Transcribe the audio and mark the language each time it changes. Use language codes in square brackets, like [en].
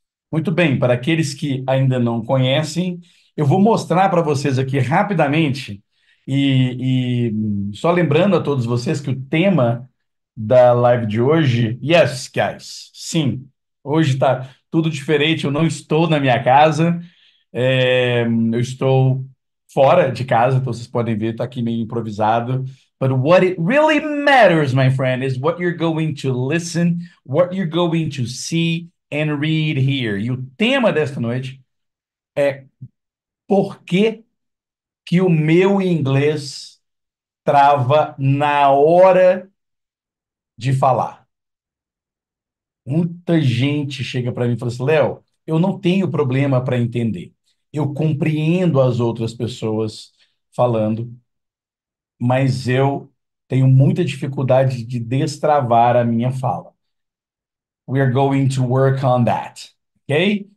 [pt] Muito bem, para aqueles que ainda não conhecem, eu vou mostrar para vocês aqui rapidamente, e só lembrando a todos vocês que o tema da live de hoje, [en] yes, guys, [pt] sim, hoje está tudo diferente. Eu não estou na minha casa, eu estou fora de casa, então vocês podem ver, está aqui meio improvisado. [en] But what it really matters, my friend, is what you're going to listen, what you're going to see and read here. [pt] E o tema desta noite é por que que o meu inglês trava na hora de falar. Muita gente chega para mim e fala assim: Léo, eu não tenho problema para entender. Eu compreendo as outras pessoas falando. Mas eu tenho muita dificuldade de destravar a minha fala. [en] We are going to work on that, ok?